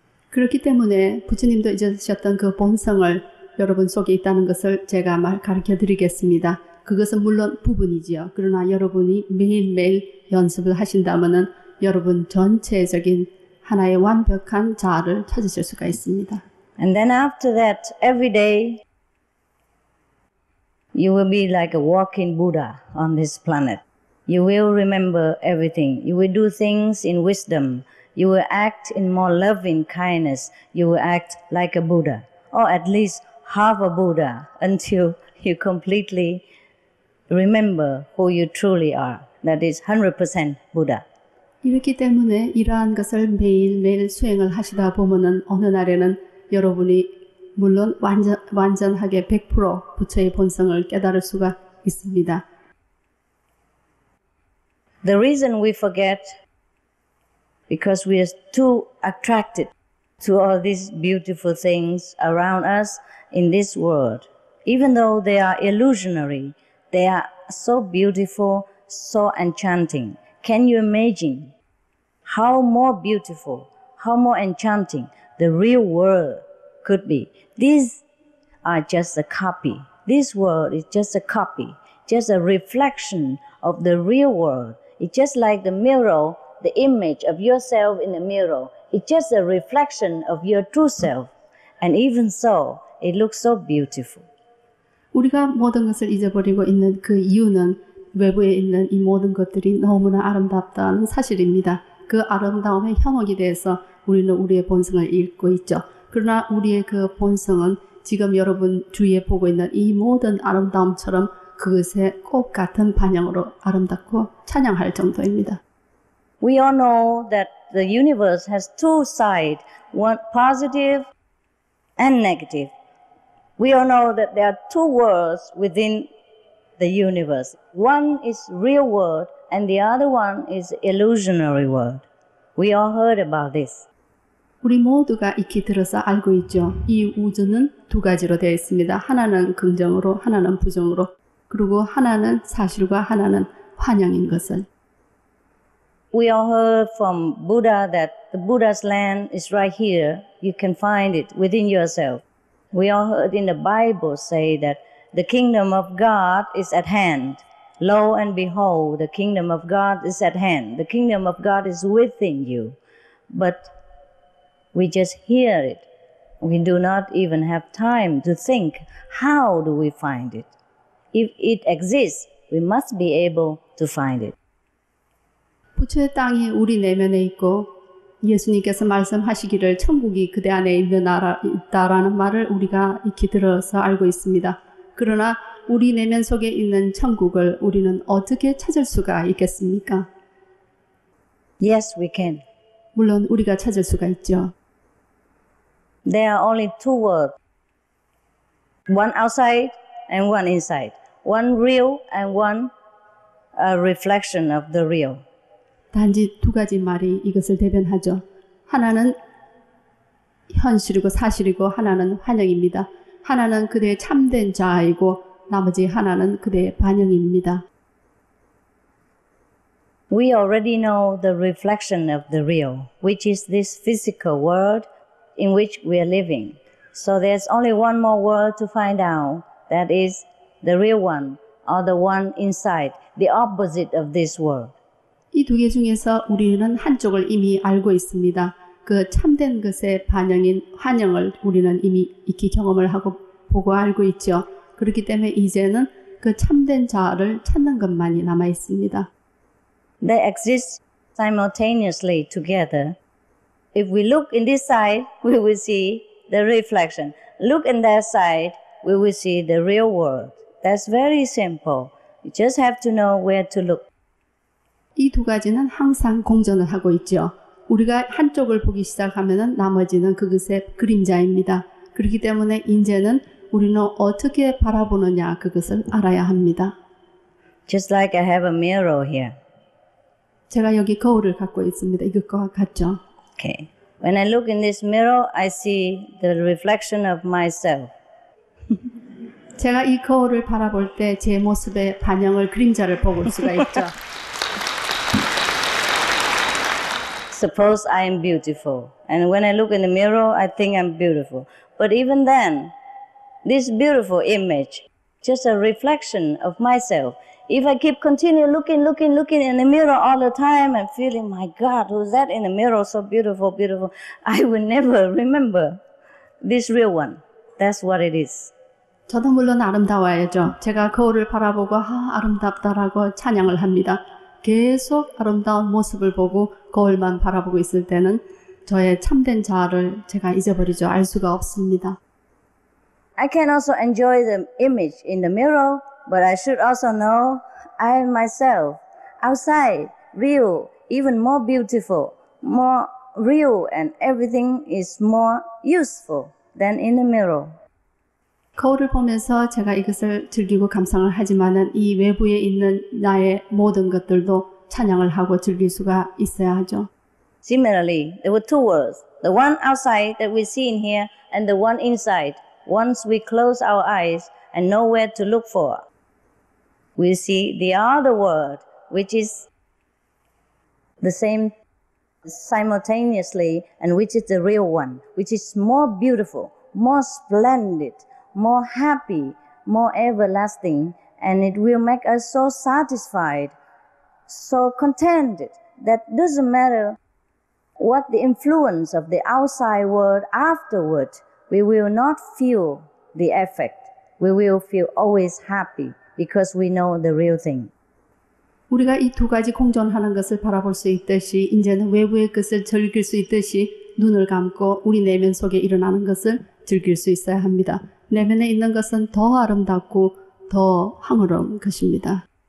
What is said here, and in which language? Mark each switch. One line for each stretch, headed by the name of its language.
Korean: 그렇기 때문에 부처님도 잊으셨던 그 본성을 여러분 속에 있다는 것을 제가 말 가르쳐 드리겠습니다. 그것은 물론 부분이지요. 그러나 여러분이 매일매일 연습을 하신다면은 여러분 전체적인 하나의 완벽한 자아를 찾으실 수가 있습니다.
English: And then after that, every day you will be like a walking Buddha on this planet. You will remember everything. You will do things in wisdom. You will act in more loving kindness. You will act like a Buddha, or at least half a Buddha, until you completely remember who you truly are. That is 100% Buddha.
Korean: 이렇기 때문에 이러한 것을 매일매일 수행을 하시다 보면은 어느 날에는 여러분이 물론 완전하게 100% 부처의 본성을 깨달을 수가 있습니다.
English: The reason we forget because we are too attracted to all these beautiful things around us in this world. Even though they are illusionary, they are so beautiful, so enchanting. Can you imagine how more beautiful, how more enchanting the real world could be? These are just a copy. This world is just a copy, just a reflection of the real world. It's just like the mirror, the image of yourself in the mirror. It's just a reflection of your true self. And even so, it looks so beautiful.
Korean: 우리가 모든 것을 잊어버리고 있는 그 이유는 외부에 있는 이 모든 것들이 너무나 아름답다는 사실입니다. 그 아름다움의 현혹에 대해서 우리는 우리의 본성을 잃고 있죠. 그러나 우리의 그 본성은 지금 여러분 주위에 보고 있는 이 모든 아름다움처럼 그것의 꽃 같은 반향으로 아름답고 찬양할 정도입니다.
English: We all know that the universe has two sides, one positive and negative. We all know that there are two worlds within the universe. One is real world and the other one is illusionary world. We all heard about this.
Korean: 우리 모두가 익히 들어서 알고 있죠. 이 우주는 두 가지로 되어 있습니다. 하나는 긍정으로, 하나는 부정으로. 그리고 하나는 사실과 하나는 환영인 것을.
English: We all heard from Buddha that the Buddha's land is right here. You can find it within yourself. We all heard in the Bible say that the kingdom of God is at hand. Lo and behold, the kingdom of God is at hand. The kingdom of God is within you. But we just hear it. We do not even have time to think, how do we find it? If it exists, we must be able to find it.
Korean: 부처의 땅이 우리 내면에 있고 예수님께서 말씀하시기를 천국이 그대 안에 있다라는 말을 우리가 익히 들어서 알고 있습니다. 그러나 우리 내면 속에 있는 천국을 우리는 어떻게 찾을 수가 있겠습니까?
English: Yes, we can.
Korean: 물론 우리가 찾을 수가 있죠.
English: There are only two worlds. One outside and one inside. One real and one a reflection of the real.
Korean: 단지 두 가지 말이 이것을 대변하죠. 하나는 현실이고 사실이고 하나는 환영입니다. 하나는 그대의 참된 자아이고 나머지 하나는 그대의 반영입니다.
English: We already know the reflection of the real, which is this physical world in which we are living. So there's only one more world to find out, that is the real one, or the one inside, the opposite of this world.
Korean: 이 두 개 중에서 우리는 한쪽을 이미 알고 있습니다. 그 참된 것의 반영인 환영을 우리는 이미 익히 경험을 하고 보고 알고 있죠. 그렇기 때문에 이제는 그 참된 자아를 찾는 것만이 남아 있습니다.
English: They exist simultaneously together. If we look in this side, we will see the reflection. Look in that side, we will see the real world. That's very simple. You just have to know where to look.
Korean: 이 두 가지는 항상 공존을 하고 있죠. 우리가 한쪽을 보기 시작하면 나머지는 그것의 그림자입니다. 그렇기 때문에 이제는 우리는 어떻게 바라보느냐 그것을 알아야 합니다.
English: Just like I have a mirror here.
Korean: 제가 여기 거울을 갖고 있습니다. 이것과 같죠.
English: Okay. When I look in this mirror, I see the reflection of myself.
Korean: 제가 이 거울을 바라볼 때 제 모습의 반영을 그림자를 볼 수가 있죠.
English: Suppose I am beautiful, and when I look in the mirror, I think I'm beautiful. But even then, this beautiful image, just a reflection of myself. If I keep continuing looking in the mirror all the time and feeling, my God, who's that in the mirror? So beautiful, beautiful. I will never remember this real one. That's what it is.
Korean: 저도 물론 아름다워야죠. 제가 거울을 바라보고 아, 아름답다라고 찬양을 합니다. 계속 아름다운 모습을 보고 거울만 바라보고 있을 때는 저의 참된 자아를 제가 잊어버리죠. 알 수가 없습니다.
English: I can also enjoy the image in the mirror, but I should also know I am myself, outside, real, even more beautiful, more real, and everything is more useful than in the mirror.
Korean: 거울을 보면서 제가 이것을 즐기고 감상을 하지만은 이 외부에 있는 나의 모든 것들도 찬양을 하고 즐길 수가 있어야 하죠.
English: Similarly, there were two worlds. The one outside that we see in here and the one inside. Once we close our eyes and know where to look for, we see the other world, which is the same simultaneously and which is the real one, which is more beautiful, more splendid, more happy, more everlasting, and it will make us so satisfied, so contented, that doesn't matter what the influence of the outside world afterward, we will not feel the effect. We will feel always happy because we know the real thing.
Korean: 우리가 이 두 가지 공존하는 것을 바라볼 수 있듯이 이제는 외부의 것을 즐길 수 있듯이 눈을 감고 우리 내면 속에 일어나는 것을 즐길 수 있어야 합니다. 내면에 있는 것은 더 아름답고 더 황홀한 것입니다.